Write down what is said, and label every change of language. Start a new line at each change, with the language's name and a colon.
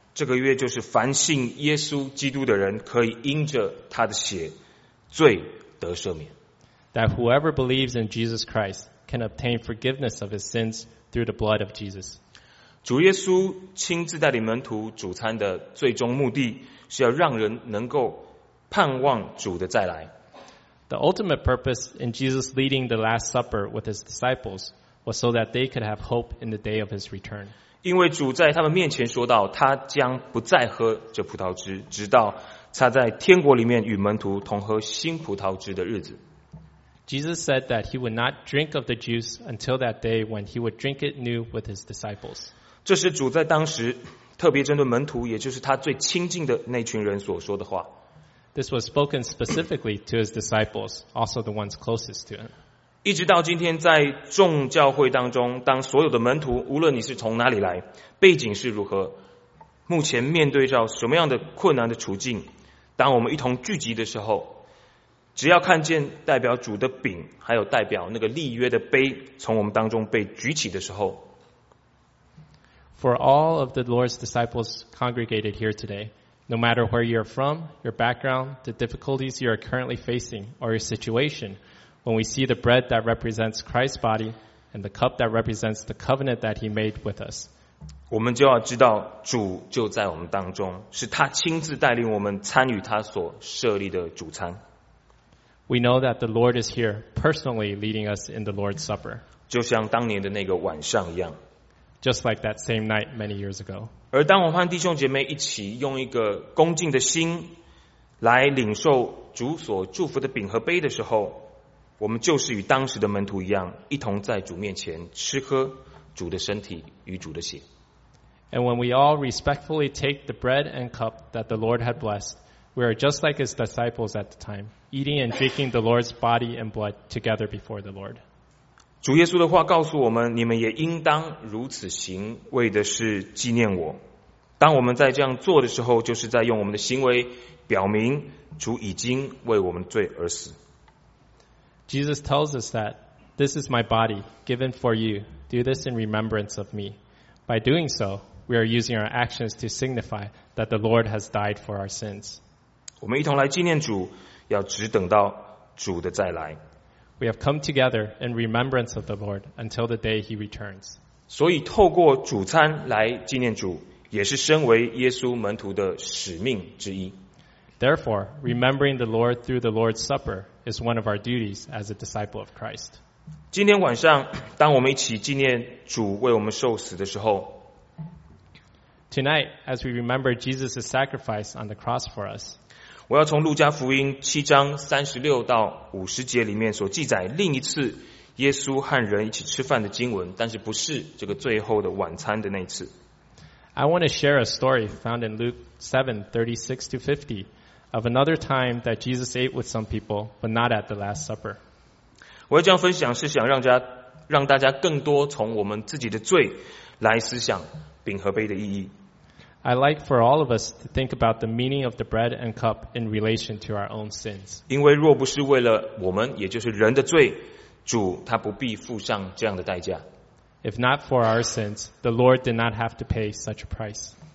Chinese: 这个约就是凡信耶稣基督的人可以因着他的血罪得赦免。
English: That whoever believes in Jesus Christ can obtain forgiveness of his sins through the blood of Jesus.
Chinese: 主耶稣亲自带领门徒主餐的最终目的是要让人能够盼望主的再来。
English: The ultimate purpose in Jesus leading the Last Supper with his disciples was so that they could have hope in the day of his return.
Chinese: 因为主在他们面前说到，他将不再喝这葡萄汁，直到他在天国里面与门徒同喝新葡萄汁的日子。
English: Jesus said that he would not drink of the juice until that day when he would drink it new with his disciples.
Chinese: 这是主在当时特别针对门徒，也就是他最亲近的那群人所说的话。
English: This was spoken specifically to his disciples, also the ones closest to him.
Chinese: 一直到今天，在众教会当中，当所有的门徒，无论你是从哪里来，背景是如何，目前面对着什么样的困难的处境，当我们一同聚集的时候，只要看见代表主的饼，还有代表那个立约的杯，从我们当中被举起的时候。
English: For all of the Lord's disciples congregated here today, no matter where you're from, your background, the difficulties you are currently facing, or your situation, when we see the bread that represents Christ's body and the cup that represents the covenant that he made with us,
Chinese: 我们就要知道主就在我们当中，是他亲自带领我们参与他所设立的主餐。
English: We know that the Lord is here personally leading us in the Lord's Supper.
Chinese: 就像当年的那个晚上一样。
English: Just like that same night many years ago.
Chinese: 而当我们和弟兄姐妹一起用一个恭敬的心来领受主所祝福的饼和杯的时候，我们就是与当时的门徒一样，一同在主面前吃喝主的身体与主的血。
English: And when we all respectfully take the bread and cup that the Lord had blessed, we are just like his disciples at the time, eating and drinking the Lord's body and blood together before the Lord.
Chinese: 主耶稣的话告诉我们，你们也应当如此行，为的是纪念我。当我们在这样做的时候，就是在用我们的行为表明主已经为我们罪而死。
English: Jesus tells us that this is my body given for you. Do this in remembrance of me. By doing so, we are using our actions to signify that the Lord has died for our sins.
Chinese: 我们一同来纪念主，要只等到主的再来。
English: We have come together in remembrance of the Lord until the day he returns.
Chinese: 所以透过主餐来纪念主，也是身为耶稣门徒的使命之一。
English: Therefore, remembering the Lord through the Lord's Supper is one of our duties as a disciple of Christ.
Chinese: 今天晚上，当我们一起纪念主为我们受死的时候，
English: Tonight, as we remember Jesus' sacrifice on the cross for us,
Chinese: 我要从路加福音七章三十六到五十节里面所记载另一次耶稣和人一起吃饭的经文，但是不是这个最后的晚餐的那一次。
English: I want to share a story found in Luke 7:36-50. Of another time that Jesus ate with some people, but not at the Last Supper.
Chinese: 我要这样分享，是想让大家更多从我们自己的罪来思想饼和杯的意义。
English: I like for all of us to think about the meaning of the bread and cup in relation to our own sins.
Chinese: 因为若不是为了我们，也就是人的罪，主他不必付上这样的代价。
English: If not for our sins, the Lord did not have to pay such a price.